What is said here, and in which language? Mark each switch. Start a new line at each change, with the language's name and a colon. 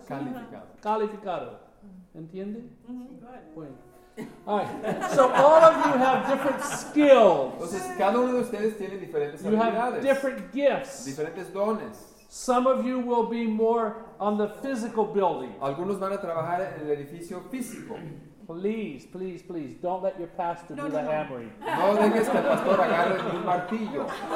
Spanish: Calificado. Calificado. ¿Entiende? Mm-hmm.
English: Bueno. All right. So all of you have different skills.
Spanish: Entonces, cada uno de ustedes tiene diferentes
English: you
Spanish: habilidades.
English: You have different gifts.
Spanish: Diferentes dones.
English: Some of you will be more on the physical building.
Spanish: Algunos van a trabajar en el edificio físico.
English: Please, please, please, don't let your pastor do the hammering.
Spanish: No dejes que el pastor agarre un martillo.